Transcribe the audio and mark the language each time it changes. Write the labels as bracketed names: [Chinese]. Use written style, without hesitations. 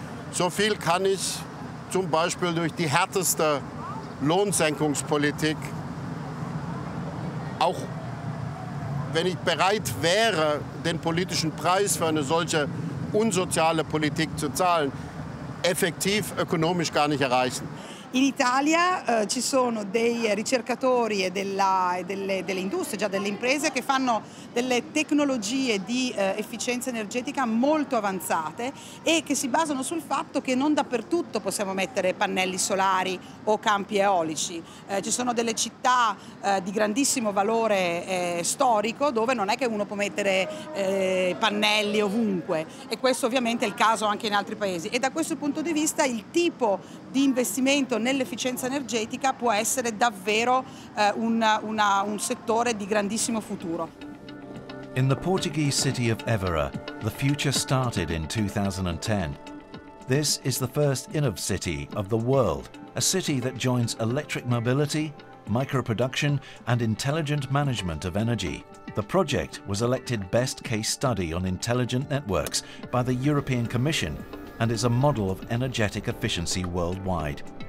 [German] So viel kann ich zum Beispiel durch die härteste Lohnsenkungspolitik, auch wenn ich bereit wäre, den politischen Preis für eine solche unsoziale Politik zu zahlen, effektiv ökonomisch gar nicht erreichen. [Italian] In Italia ci sono dei ricercatori e delle industrie, già delle imprese, che fanno delle tecnologie di efficienza energetica molto avanzate e che si basano sul fatto che non dappertutto possiamo mettere pannelli solari o campi eolici. Ci sono delle città di grandissimo valore storico dove non è che uno può mettere pannelli ovunque, e questo ovviamente è il caso anche in altri paesi. E da questo punto di vista il tipo di investimento nell'efficienza energetica può essere davvero un settore di grandissimo futuro. [English] In the Portuguese city of Évora, the future started in 2010. This is the first innov city of the world, a city that joins electric mobility, microproduction and intelligent management of energy. The project was elected best case study on intelligent networks by the European Commission and is a model of energetic efficiency worldwide.